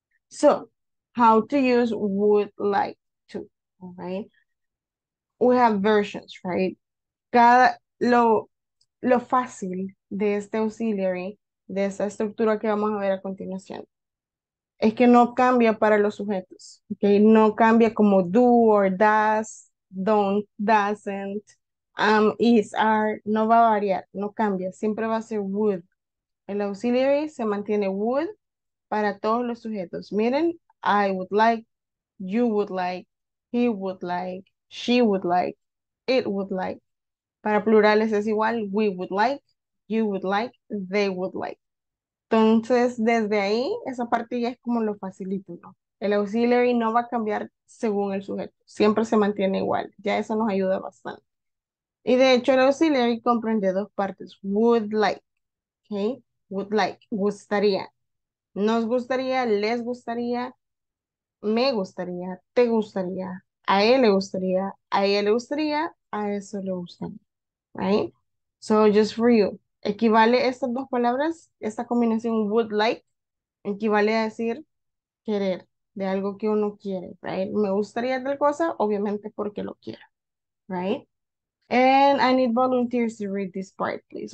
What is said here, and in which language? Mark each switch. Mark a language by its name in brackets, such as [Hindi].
[English] So, how to use would like to, all right? We have versions, right? [Spanish] Lo fácil de este auxiliary, de esta estructura que vamos a ver a continuación, es que no cambia para los sujetos, okay? No cambia como [English] do or does, don't, doesn't, is, are, [Spanish] no va a variar, no cambia, siempre va a ser would. El auxiliary se mantiene would para todos los sujetos. [English] Miren, I would like, you would like, he would like, she would like, it would like. [Spanish] Para plurales es igual, [English] we would like, you would like, they would like. [Spanish] Entonces, desde ahí, esa parte ya es como lo facilito, ¿no? El auxiliary no va a cambiar según el sujeto. Siempre se mantiene igual. Ya eso nos ayuda bastante. Y de hecho, el auxiliary comprende dos partes. [English] Would like, okay? Would like, gustaría. [Spanish] Nos gustaría, les gustaría, me gustaría, te gustaría, a él le gustaría, a ella le gustaría, a eso le gustaría. [English] Right? So just for you, [Spanish] equivale estas dos palabras, esta combinación [English] would like, [Spanish] equivale a decir querer, de algo que uno quiere, right? Me gustaría tal cosa, obviamente porque lo quiero, right? [English] And I need volunteers to read this part, please.